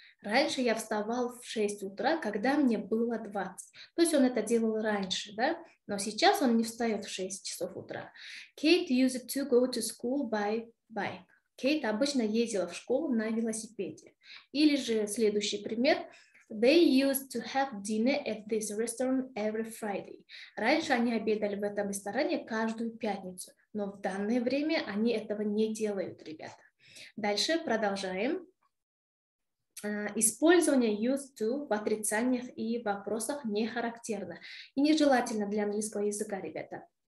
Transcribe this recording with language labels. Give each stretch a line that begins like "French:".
Russian: Раньше я вставал в 6 утра, когда мне было 20. То есть он это делал раньше, да? Но сейчас он не встает в 6 часов утра.
English: Kate used to go to school by bike.
Russian: Kate обычно ездила в школу на велосипеде. Или же следующий пример.
English: They used to have dinner at this restaurant every Friday.
Russian: Раньше они обедали в этом ресторане каждую пятницу. Но в данное время они этого не делают, ребята. Дальше продолжаем. Использование used to в отрицаниях и вопросах не характерно и нежелательно для английского языка, ребята.